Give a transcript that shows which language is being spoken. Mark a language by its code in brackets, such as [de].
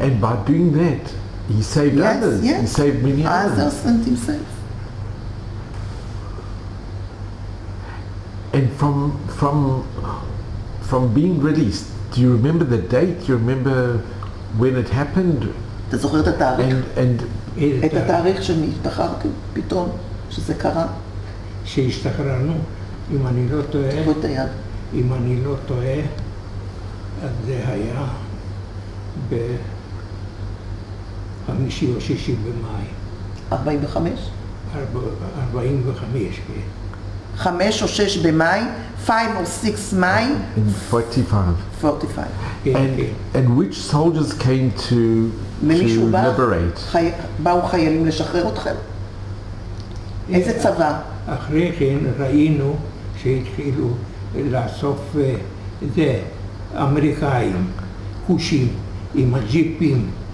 [en] And by doing that, he saved others. Yes. He saved many others. Others and himself. And from being released, Do you remember the date? Do you remember when it happened? [he] אתה זוכר את התאריך? [en] And [he] את התאריך שאני השתחררתי פתאום, שזה קרה. שהשתחררנו, אם אני לא טועה... תקבו את היד. אם אני לא טועה, אז זה היה ב-50 או 60 במאי. 45? 45, כן. 5 או 6 במאי, 5 או 6 מאי. [en] In 45. And which soldiers came to liberate? [he] באו חיילים לשחרר אתכם? איזה צבא? אחרי כן ראינו שהתחילו לאסוף זה, אמריקאים, כושים, עם הג'יפים.